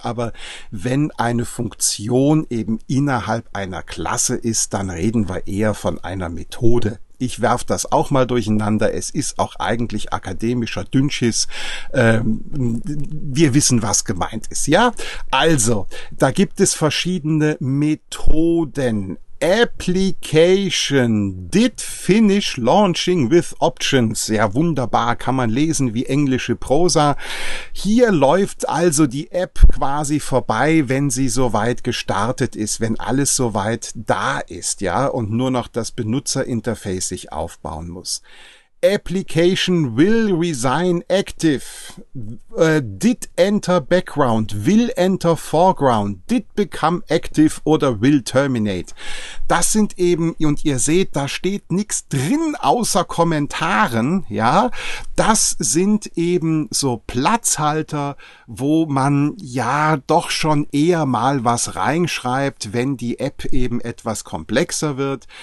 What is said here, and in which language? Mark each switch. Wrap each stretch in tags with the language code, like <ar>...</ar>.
<de>Aber wenn eine Funktion eben innerhalb einer Klasse ist, dann reden wir eher von einer Methode. Ich werf das auch mal durcheinander. Es ist auch eigentlich akademischer Dünnschiss. Wir wissen, was gemeint ist, ja? Also, da gibt es verschiedene Methoden.</de> <en>Application did finish launching with options.</en> <de>Ja, wunderbar, kann man lesen wie englische Prosa. Hier läuft also die App quasi vorbei, wenn sie soweit gestartet ist, wenn alles soweit da ist, ja, und nur noch das Benutzerinterface sich aufbauen muss.</de> <en>Application will resign active, did enter background, will enter foreground, did become active oder will terminate.</en> <de>Das sind eben, und ihr seht, da steht nichts drin außer Kommentaren, ja. Das sind eben so Platzhalter, wo man ja doch schon eher mal was reinschreibt, wenn die App eben etwas komplexer wird.</de>